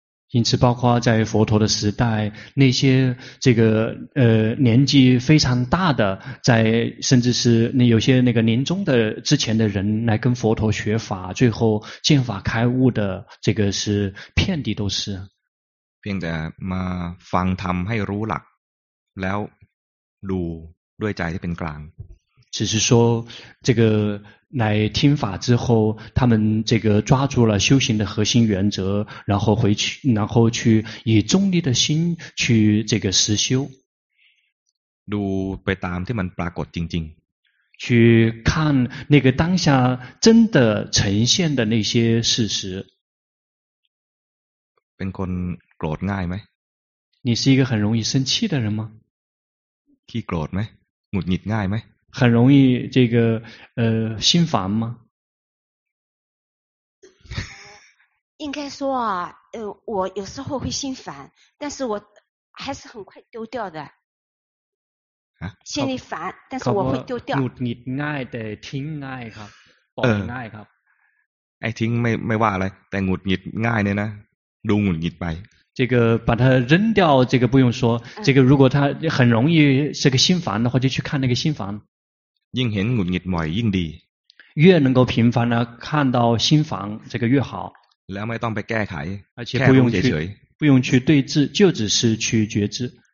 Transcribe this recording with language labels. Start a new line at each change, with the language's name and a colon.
Chinese: 因此包括在佛陀的时代那些这个年纪非常大的在甚至是那有些那个年中的之前的人来跟佛陀学法最后见法开悟的这个是遍地都是
Thai: เพียงแต่มาฟังธรรมให้รู้หลักแล้วดูด้วยใจที่เป็นกลาง
Chinese: 只是说这个来听法之后他们这个抓住了修行的核心原则然后回去然后去以中立的心去这个实修
Thai: ดูไปตามที่มันปรากฏจริง
Chinese: ๆ去看那个当下真的呈现的那些事实
Thai: เป็นคนโกรธง่ายไหม
Chinese: 你是一个很容易生气的人吗
Thai: ขี้โกรธไหมหงุดหงิดง่ายไหม
Chinese: 很容易这个心烦吗？应该说啊，我有时候会心烦，但是我还是很快丢掉的。心里烦，但是我会丢掉。
Thai: หงุดหงิดง่ายแต่ทิ้งง่ายครับปล่อยง่ายครับ ไอ้ทิ้งไม่ว่าอะไรแต่หงุดหงิดง่ายเนี่ยนะดูหงุดหงิดไป
Chinese: 这个把它扔掉这个不用说这个如果它很容易是个心烦的话就去看那个心烦
Thai: ยิ่งเห็นหงุดหงิดบ่อยยิ่งดี
Chinese: 越能够频繁的看到心烦这个越好
Thai: แล้วไม่ต้องไปแก้ไข แค่ผู้เฉย
Chinese: 不用去对峙就只是去觉知